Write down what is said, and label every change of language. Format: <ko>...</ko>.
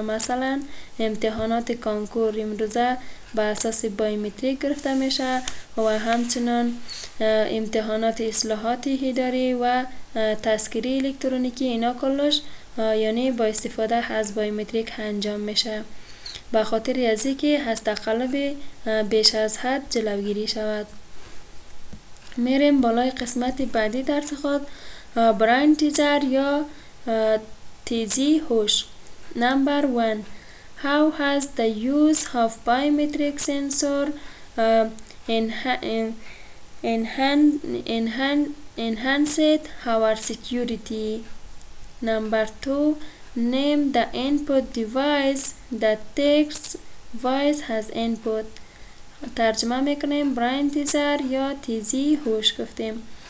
<fa>مثلا امتحانات کنکور امروزه به اساس بایومتریک گرفته میشه و همچنان امتحانات اصلاحات اداری و تذکری الکترونیکی، اینا کلش یعنی با استفاده از بایومتریک انجام میشه به خاطر از اینکه از تقلب بیش از حد جلوگیری شود. میریم بالای قسمت بعدی درس خود براین تیزر یا تیزی هوش. نمبر 1.</fa> <en>How has the use of biometric sensor enhanced our security? Number 2. Name the input device that takes voice as input.</en> <fa>ترجمه میکنیم براین تیزر یا تیزی هوش گفتیم.</fa>